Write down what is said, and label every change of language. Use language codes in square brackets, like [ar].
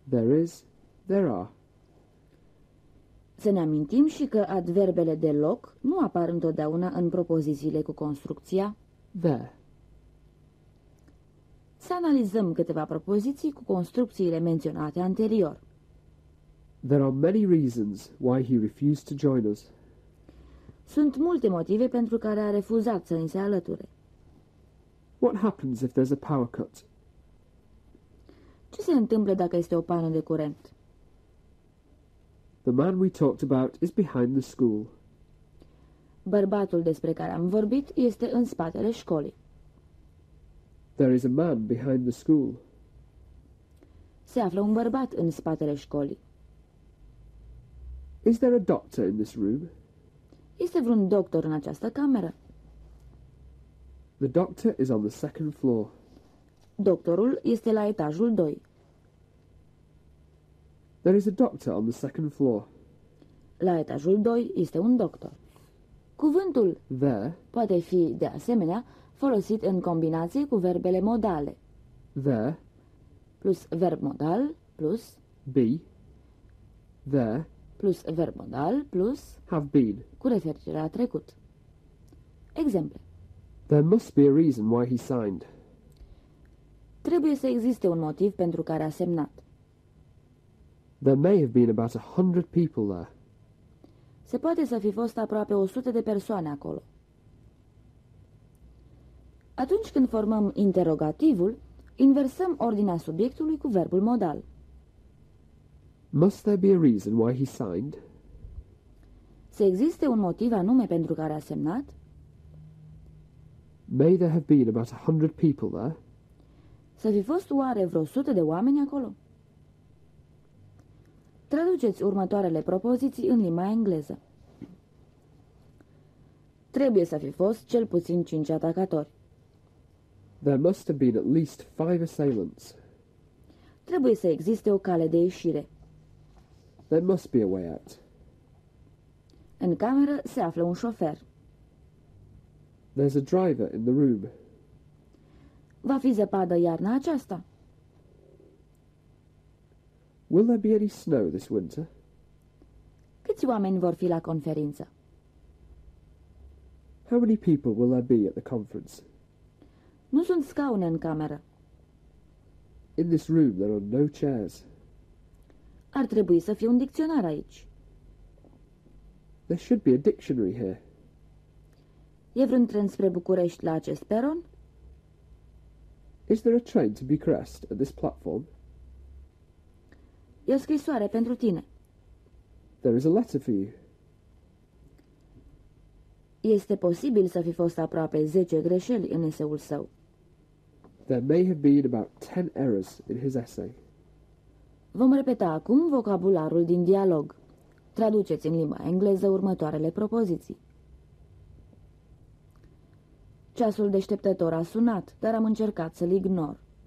[en] there is, there are. [ro] Să ne amintim și că adverbele de loc nu apar întotdeauna în propozițiile cu construcția [en] there. [ro] Să analizăm câteva propoziții cu construcțiile menționate anterior. [en] There are many reasons why he refused to join us. [ro] Sunt multe motive pentru care a refuzat să ni se alăture. [en] What happens if there's a power cut? [ro] Ce se întâmplă dacă este o pană de curent? [en] The man we talked about is behind the school. [ro] Bărbatul despre care am vorbit este în spatele școlii. [en] There is a man behind the school. [ro] Se află un bărbat în spatele școlii. [en] Is there a doctor in this room? [ro] Este vreun doctor în această cameră? [en] The doctor is on the second floor. [ro] Doctorul este la etajul 2. [en] There is a doctor on the second floor. [ro] La etajul 2 este un doctor. Cuvântul [en] there [ro] poate fi, de asemenea, folosit în combinație cu verbele modale. [en] There [ro] plus verb modal plus [en] be. There [ro] plus verb modal plus [en] have been. [ro] Cu referire la trecut. Exemple. [en] There must be a reason why he signed. [ro] Trebuie să existe un motiv pentru care a semnat. [en] There may have been about 100 people there. [ro] Se poate să fi fost aproape 100 de persoane acolo. Atunci când formăm interrogativul, inversăm ordinea subiectului cu verbul modal. [en] Must there be a reason why he signed? [ro] Să existe un motiv anume pentru care a semnat? [en] May there have been about 100 people there? [ro] Să fi fost oare vreo 100 de oameni acolo? Traduceți următoarele propoziții în limba engleză. Trebuie să fi fost cel puțin 5 atacatori. [en] There must have been at least 5 assailants. [ro] Trebuie să existe o cale de ieșire. [en] There must be a way out. [ro] În cameră se află un șofer. [en] There's a driver in the room. [ro] Va fi zăpadă iarna aceasta? [en] Will there be any snow this winter? [ro] Câți oameni vor fi la conferință? [en] How many people will there be at the conference? [ro] Nu sunt scaune în cameră. [en] In this room there are no chairs. [ro] Ar trebui să fie un dicționar aici. [en] There should be a dictionary here. [ro] E vreun tren spre București la acest peron? [en] Is there a train to Bucharest at this platform? [ro] E o scrisoare pentru tine. [en] There is a letter for you. [ro] Este posibil să fi fost aproape 10 greșeli în eseul său. [en] There may have been about 10 errors in his essay. [ro] Vom repeta acum vocabularul din dialog. Traduceți în limba engleză următoarele propoziții. Ceasul deșteptător a sunat, dar am încercat să-l ignor.